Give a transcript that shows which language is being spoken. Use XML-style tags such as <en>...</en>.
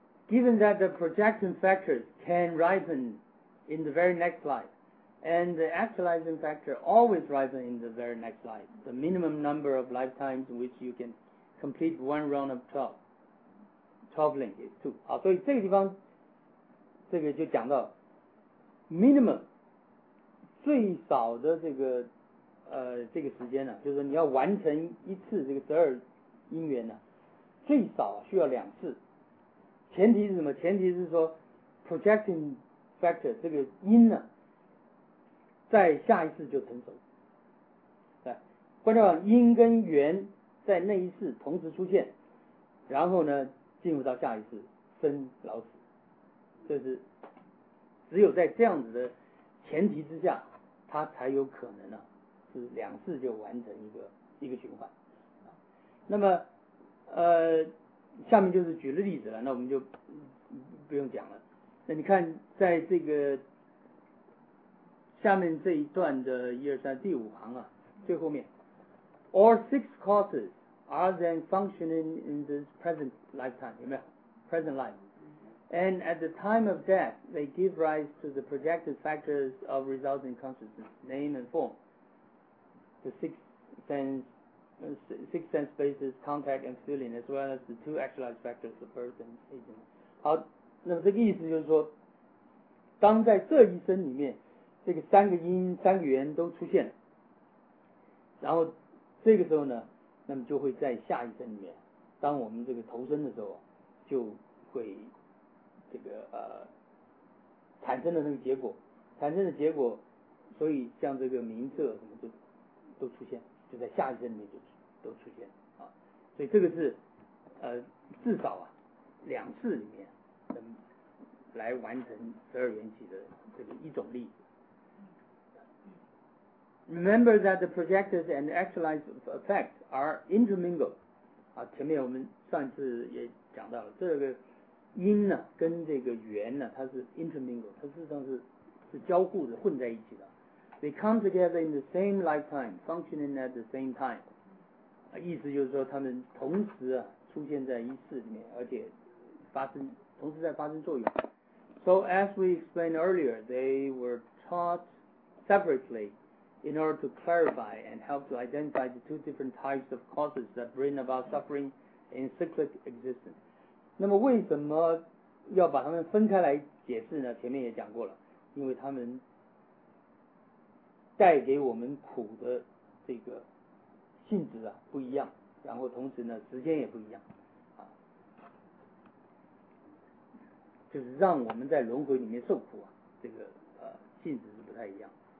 <en>Given that the projection factors can ripen in the very next life, and the actualizing factor always ripens in the very next life, the minimum number of lifetimes in which you can complete one round of 12 link is 2.</en> <zh>好，所以这个地方，这个就讲到 minimum 最少的这个时间呢，就是你要完成一次这个十二因缘呢。最少需要两次，前提是什么？前提是说 projecting factor 这个因呢，在下一次就成熟。对，关键因跟缘在那一次同时出现，然后呢进入到下一次生老死，这是只有在这样子的前提之下，它才有可能呢、是两次就完成一个循环。那么下面就是举了例子了，那我们就不用讲了。那你看在这个下面这一段的一二三第五行啊，最后面</zh> <en>All six causes are then functioning in this present lifetime,</en> <zh>有没有</zh> <en>present life, and at the time of death they give rise to the projected factors of resulting consciousness, name and form, the six sense basis, contact and feeling, as well as the two actualized factors of birth and aging.</en> <zh>好，那么这个意思就是说，当在这一生里面，这个三个因三个缘都出现了，然后这个时候呢，那么就会在下一生里面，当我们这个投生的时候，就会这个产生的那个结果，产生的结果，所以像这个名色什么都出现，就在下一生里面都出现啊。所以这个是至少啊两次里面能来完成十二缘起的这个一种例子。</zh> <en>Remember that the projected and actualized effects are intermingled.</en> <zh>啊，前面我们上次也讲到了，这个因呢跟这个缘呢，它是 intermingled， 它事实上是交互的，混在一起的。</zh> <en>They come together in the same lifetime, functioning at the same time.</en> <zh>啊，意思就是说它们同时啊出现在一世里面，而且同时在发生作用。</zh> <en>So as we explained earlier, they were taught separately. In order to clarify and help to identify the two different types of causes that bring about suffering in cyclic existence.</en> <zh>那么为什么要把它们分开来解释呢？前面也讲过了，因为它们带给我们苦的这个性质啊不一样，然后同时呢时间也不一样，啊，就是让我们在轮回里面受苦啊，这个性质是不太一样。</zh>